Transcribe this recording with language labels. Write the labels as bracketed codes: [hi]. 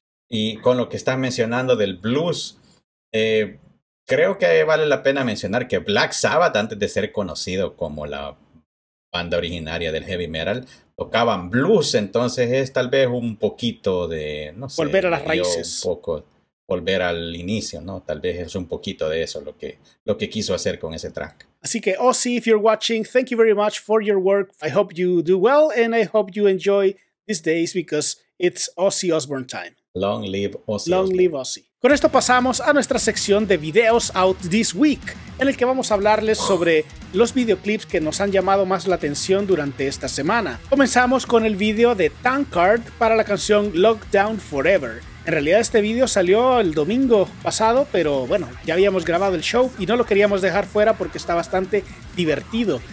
[es] Y con lo que estás mencionando del blues, creo que vale la pena mencionar que Black Sabbath, antes de ser conocido como la banda originaria del heavy metal, tocaban blues. Entonces es tal vez un poquito de, no sé, volver a las raíces. Un poco volver al inicio, ¿no? Tal vez es un poquito de eso lo que quiso hacer con ese track. Así que, [en] Ozzy, if you're watching, thank you very much for your work. I hope you do well and I hope you enjoy these days because it's Ozzy Osbourne time. Long live Ozzy. Long live Ozzy. [es] Con esto pasamos a nuestra sección de videos out this week, en el que vamos a hablarles sobre los videoclips que nos han llamado más la atención durante esta semana. Comenzamos con el video de Tankard para la canción Lockdown Forever. En realidad este video salió el domingo pasado, pero bueno, ya habíamos grabado el show y no lo queríamos dejar fuera porque está bastante divertido.